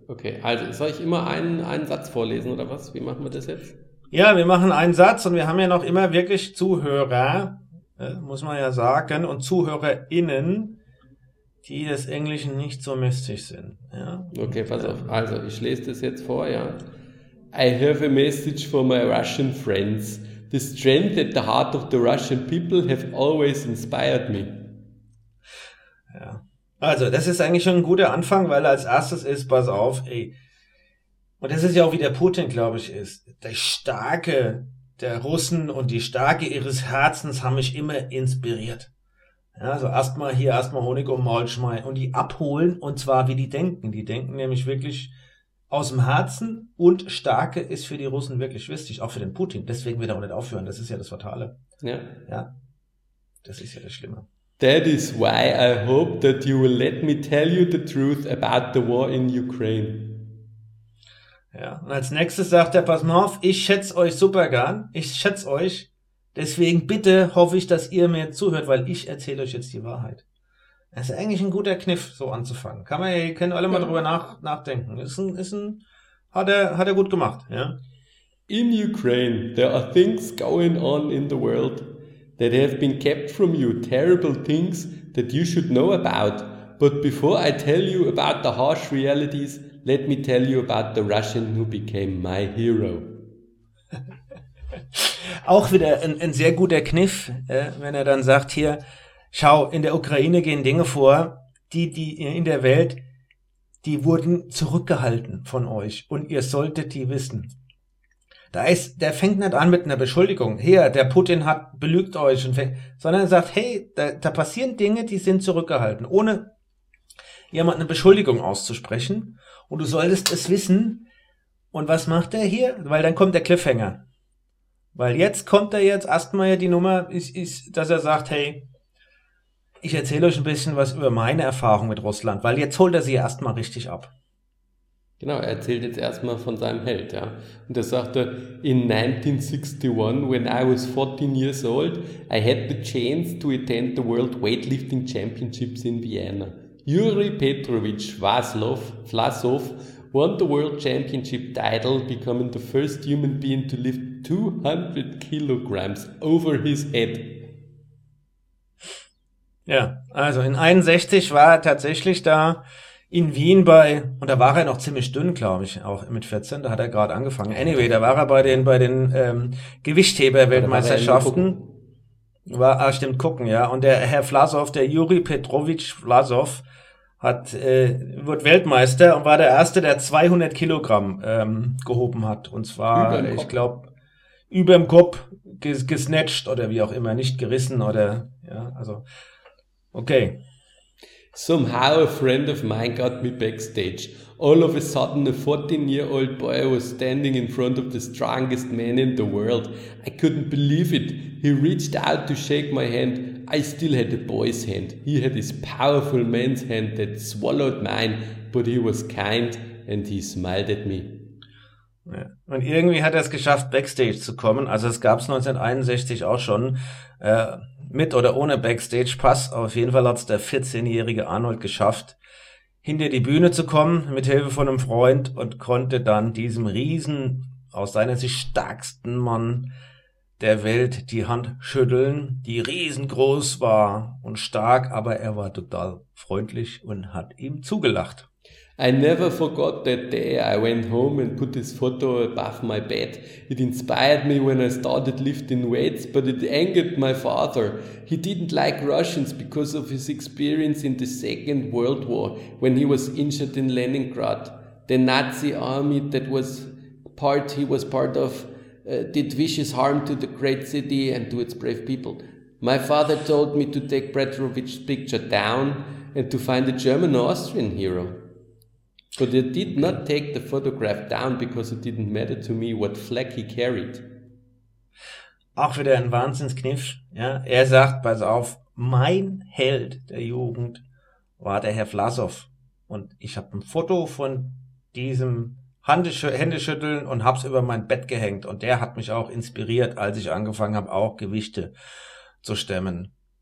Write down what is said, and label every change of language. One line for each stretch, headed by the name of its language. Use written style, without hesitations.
German: Okay, also soll ich immer einen Satz vorlesen oder was? Wie machen wir das jetzt? Ja, wir machen einen Satz und wir haben ja noch immer wirklich Zuhörer, muss man ja sagen, und ZuhörerInnen, die des Englischen nicht so mächtig sind. Ja? Okay, pass auf. Also, ich lese das jetzt vor, ja.
English: I have a message for my Russian friends. The strength at the heart of the Russian people have always inspired me.
German: Ja. Also, das ist eigentlich schon ein guter Anfang, weil als erstes ist, pass auf, ey. Und das ist ja auch wie der Putin, glaube ich, ist. Der Starke der Russen und die Starke ihres Herzens haben mich immer inspiriert. Ja, also erstmal Honig um Maul schmeißen und die abholen, und zwar wie die denken. Die denken nämlich wirklich aus dem Herzen, und Starke ist für die Russen wirklich wichtig, auch für den Putin. Deswegen wird er auch nicht aufhören. Das ist ja das Fatale. Ja. Ja. Das ist ja das Schlimme.
English: That is why I hope that you will let me tell you the truth about the war in Ukraine.
German: Ja, und als nächstes sagt er, pass mal auf, ich schätze euch super gern, ich schätze euch, deswegen bitte hoffe ich, dass ihr mir zuhört, weil ich erzähle euch jetzt die Wahrheit. Das ist eigentlich ein guter Kniff, so anzufangen. Könnt alle mal drüber nachdenken. Hat er gut gemacht, ja.
English: In Ukraine, there are things going on in the world that have been kept from you, terrible things that you should know about. But before I tell you about the harsh realities, let me tell you about the Russian who became my hero.
German: Auch wieder ein sehr guter Kniff, wenn er dann sagt hier, schau, in der Ukraine gehen Dinge vor, die in der Welt, die wurden zurückgehalten von euch und ihr solltet die wissen. Der fängt nicht an mit einer Beschuldigung. Hier, der Putin hat belügt euch. Sondern er sagt, hey, da passieren Dinge, die sind zurückgehalten. Ohne jemand eine Beschuldigung auszusprechen. Und du solltest es wissen. Und was macht er hier? Weil dann kommt der Cliffhanger. Weil jetzt kommt er jetzt erstmal ja die Nummer, dass er sagt, hey, ich erzähle euch ein bisschen was über meine Erfahrung mit Russland, weil jetzt holt er sie erstmal richtig ab. Genau, er erzählt jetzt erstmal von seinem Held, ja. Und er sagte,
English: in 1961, when I was 14 years old, I had the chance to attend the World Weightlifting Championships in Vienna. Yuri Petrovich Vlasov won the World Championship title, becoming the first human being to lift 200 kilograms over his head.
German: Ja, also in 61 war er tatsächlich da in Wien bei, und da war er noch ziemlich dünn, glaube ich, auch mit 14, da hat er gerade angefangen. Anyway, da war er bei den Gewichtheber-Weltmeisterschaften. Und der Herr Vlasov, der Yuri Petrovich Vlasov, wurde Weltmeister und war der Erste, der 200 Kilogramm gehoben hat. Und zwar, ich glaube, überm Kopf gesnatcht oder wie auch immer, nicht gerissen oder, ja, also... Okay.
English: Somehow a friend of mine got me backstage. All of a sudden, a 14-year-old boy was standing in front of the strongest man in the world. I couldn't believe it. He reached out to shake my hand. I still had a boy's hand. He had his powerful man's hand that swallowed mine, but he was kind and he smiled at me.
German: Ja. Und irgendwie hat er es geschafft, backstage zu kommen. Also es gab es 1961 auch schon. Mit oder ohne Backstage-Pass, auf jeden Fall hat es der 14-jährige Arnold geschafft, hinter die Bühne zu kommen, mit Hilfe von einem Freund, und konnte dann diesem Riesen, aus seiner Sicht stärksten Mann der Welt, die Hand schütteln, die riesengroß war und stark, aber er war total freundlich und hat ihm zugelacht.
English: I never forgot that day I went home and put this photo above my bed. It inspired me when I started lifting weights, but it angered my father. He didn't like Russians because of his experience in the Second World War when he was injured in Leningrad. The Nazi army that he was part of did vicious harm to the great city and to its brave people. My father told me to take Petrovich's picture down and to find a German or Austrian hero. But I did not take the photograph down because it didn't matter to me what flag he carried.
German: Auch wieder ein Wahnsinnskniff, ja. Er sagt, pass auf, mein Held der Jugend war der Herr Vlasov. Und ich habe ein Foto von diesem Händeschütteln und hab's über mein Bett gehängt. Und der hat mich auch inspiriert, als ich angefangen habe, auch Gewichte zu stemmen.